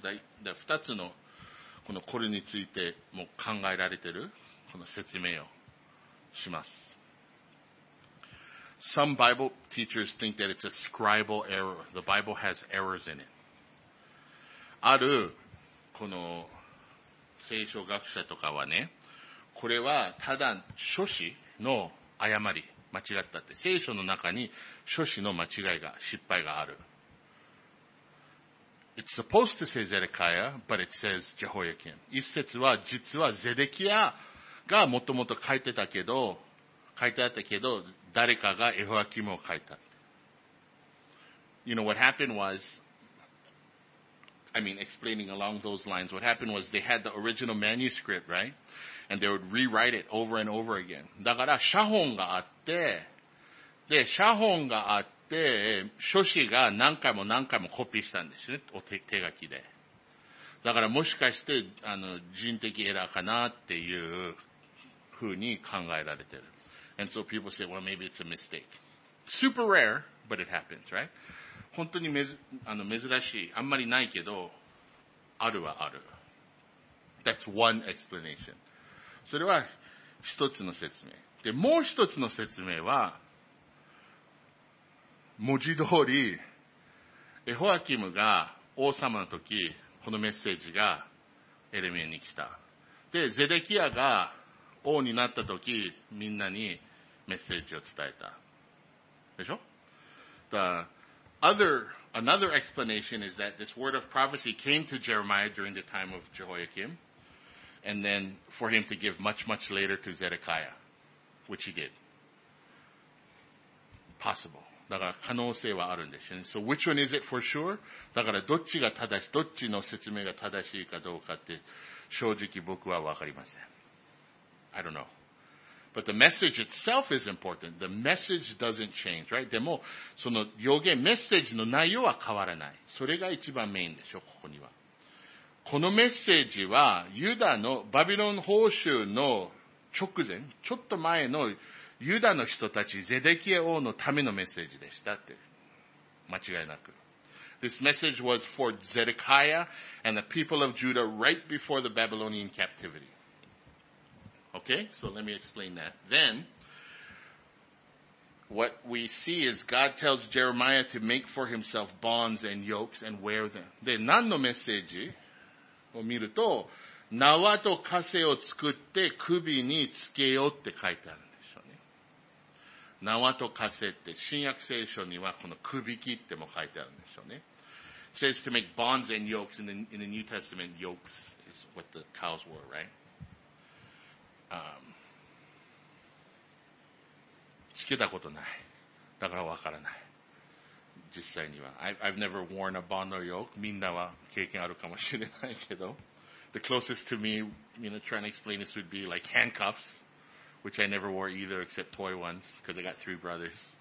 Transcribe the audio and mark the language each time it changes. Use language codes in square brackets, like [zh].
[ja] The 2 つのこのこれについてもう考えられているこの説明をします。 [en] Some Bible teachers think that it's a scribal error. The Bible has errors in it. [ja] あるこの聖書学者とかはね、これはただ書誌の誤り、間違ったって。聖書の中に書誌の間違いが、失敗がある。 [en] It's supposed to say Zedekiah, but it says Jehoiakim. [ja] 一節は実はゼデキアがもともと書いてたけど、書いてあったけど、誰かがエホアキムを書いた。 [en] You know what happened was,I mean, explaining along those lines, what happened was they had the original manuscript, right? And they would rewrite it over and over again. [ja] だから、写本があって、で、写本があって、書誌が何回も何回もコピーしたんですね、お 手書きで。だから、もしかして、人的エラーかなっていうふうに考えられてる。 [en] And so people say, well, maybe it's a mistake. Super rare, but it happens, right? [ja] 本当に珍しい。あんまりないけど、あるはある。 [en] That's one explanation. [ja] それは一つの説明。で、もう一つの説明は、文字通り、エホアキムが王様の時、このメッセージがエレミアに来た。で、ゼデキアが王になった時、みんなにメッセージを伝えた。でしょ？だ [en] Another explanation is that this word of prophecy came to Jeremiah during the time of Jehoiakim, and then for him to give much, much later to Zedekiah, which he did. Possible. [ja] だから可能性はあるんですよね。 [en] So which one is it for sure? [ja] だからどっちが正しい、どっちの説明が正しいかどうかって正直僕はわかりません。 [en] I don't know. But the message itself is important. The message doesn't change, right? [ja] でも、その予言、メッセージの内容は変わらない。それが一番メインでしょ、ここには。このメッセージは、ユダのバビロン報酬の直前、ちょっと前のユダの人たち、ゼデキエ王のためのメッセージでしたって。間違いなく。 [en] This message was for Zedekiah and the people of Judah right before the Babylonian captivity. Okay, so let me explain that. Then, what we see is God tells Jeremiah to make for himself bonds and yokes and wear them. [ja] で、何のメッセージを見ると、縄と枷を作って首につけようって書いてあるんでしょうね。縄と枷って、新約聖書にはこの首切っても書いてあるんでしょうね。 [en] It says to make bonds and yokes. In the New Testament, yokes is what the cows were, right? [ja] つけたことない。だからわからない。実際には。 [en] I've never worn a bond or yoke. [ja] みんなは経験あるかもしれないけど。 [en] The closest to me, you know, trying to explain this would be like handcuffs, which I never wore either except toy ones, because I got three brothers.